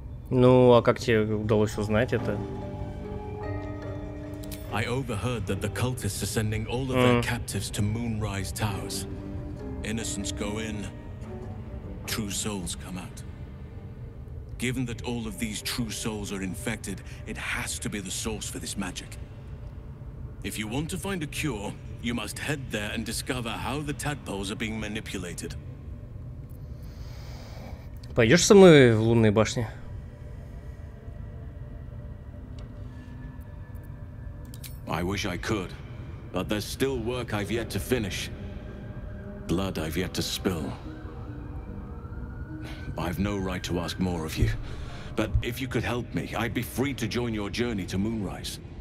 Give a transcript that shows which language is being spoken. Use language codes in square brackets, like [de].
[ru] Ну, а как тебе удалось узнать это? [en] I overheard that the cultists are sending all of their captives to Moonrise Towers. Innocents go in, true souls come out. Given that all of these true souls are infected, it has to be the source for this magic. If you want to find a cure, you must head there and discover how the tadpoles are being manipulated. [ru] Пойдешь со мной в лунные башни? [en] I wish I could, but there's still work I've yet to finish. Blood I've yet to spill. I've no right to ask more of you, but if you could help me, I'd be free to join your journey to Moonrise.